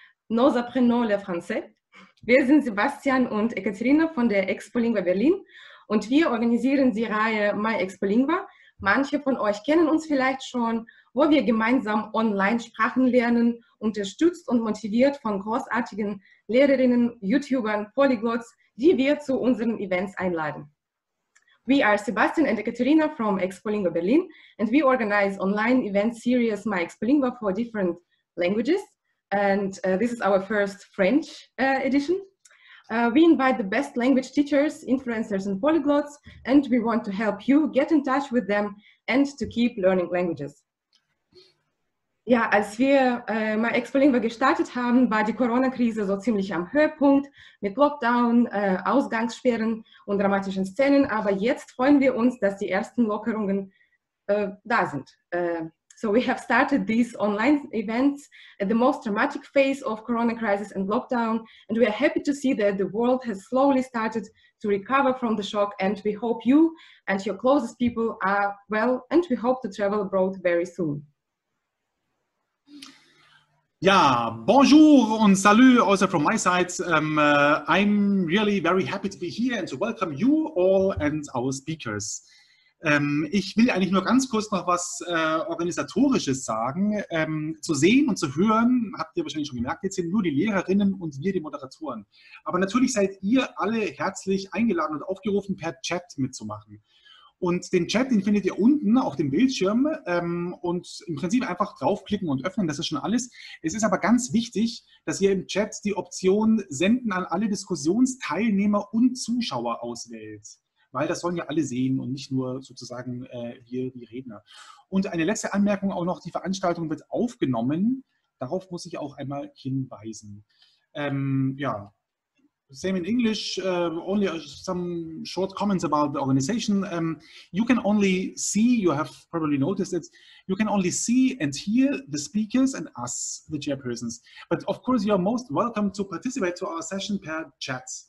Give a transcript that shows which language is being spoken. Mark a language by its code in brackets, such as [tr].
[fr] Nous apprenons le français. [de] Wir sind Sebastian und Ekaterina von der Expolingua Berlin und wir organisieren die Reihe My Expolingua. Manche von euch kennen uns vielleicht schon, wo wir gemeinsam online Sprachen lernen, unterstützt und motiviert von großartigen Lehrerinnen, YouTubern, Polyglots, die wir zu unseren Events einladen. [en] We are Sebastian and Ekaterina from Expolingua Berlin, and we organize online event series My Expolingua for different languages. And this is our first French edition. We invite the best language teachers, influencers, and polyglots, and we want to help you get in touch with them and to keep learning languages. [de] Ja, als wir My Expolingua gestartet haben, war die Corona-Krise so ziemlich am Höhepunkt mit Lockdown, Ausgangssperren und dramatischen Szenen. Aber jetzt freuen wir uns, dass die ersten Lockerungen da sind. [en] So we have started these online events at the most dramatic phase of Corona crisis and lockdown, and we are happy to see that the world has slowly started to recover from the shock, and we hope you and your closest people are well, and we hope to travel abroad very soon. Yeah, bonjour [de] und [en] salut also from my side. I'm really very happy to be here and to welcome you all and our speakers. [de] Ich will eigentlich nur ganz kurz noch was Organisatorisches sagen. Zu sehen und zu hören, habt ihr wahrscheinlich schon gemerkt, jetzt sind nur die Lehrerinnen und wir die Moderatoren. Aber natürlich seid ihr alle herzlich eingeladen und aufgerufen, per Chat mitzumachen. Und den Chat, den findet ihr unten auf dem Bildschirm und im Prinzip einfach draufklicken und öffnen, das ist schon alles. Es ist aber ganz wichtig, dass ihr im Chat die Option Senden an alle Diskussionsteilnehmer und Zuschauer auswählt. Weil das sollen ja alle sehen und nicht nur sozusagen wir, die Redner. Und eine letzte Anmerkung auch noch, die Veranstaltung wird aufgenommen. Darauf muss ich auch einmal hinweisen. [en] Ja, same in English, only some short comments about the organization. You can only see, you have probably noticed it, you can only see and hear the speakers and us, the chairpersons. But of course you are most welcome to participate to our session per chat.